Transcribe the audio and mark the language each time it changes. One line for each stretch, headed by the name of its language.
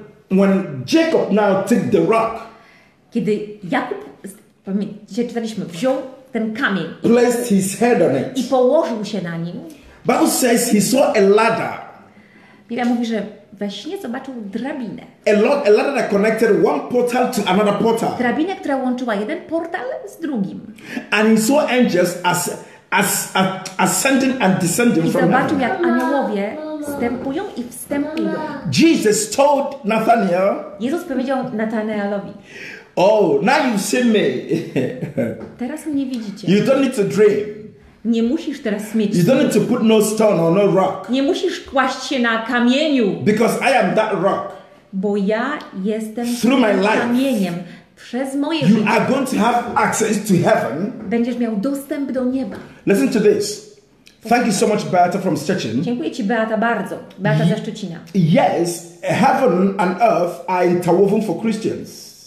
English: When Jacob now took the rock.
Polish: Kiedy Jakub, dzisiaj czytaliśmy, wziął ten kamień.
English: Placed his head on it.
Polish: I położył się na nim.
English: Bible says he saw a ladder.
Polish: Biblia mówi, że we śnie zobaczył drabinę.
English: A ladder that connected one portal to another portal.
Polish: Drabinę, która łączyła jeden portal z drugim.
English: And he saw angels as ascending and descending from heaven.
Polish: I zobaczył, jak aniołowie wstępują i wstępują.
English: Jesus told Nathanael.
Polish: Jezus powiedział Nathanaelowi.
English: Oh, now you see me.
Polish: Teraz mnie widzicie.
English: You don't need to dream.
Polish: Nie musisz teraz mieć.
English: You don't need to put no stone or no rock.
Polish: Nie musisz kłaść się na kamieniu.
English: Because I am that rock.
Polish: Bo ja jestem
English: through my life.
Polish: Kamieniem. Przez moje życie.
English: You are going to have access to heaven.
Polish: Będziesz miał dostęp do nieba.
English: Listen to this. Thank you so much, Beata from Szczecin.
Polish: Dziękuję ci, Beata, bardzo. Beata ze Szczecina.
English: Yes, heaven and earth are interwoven for Christians.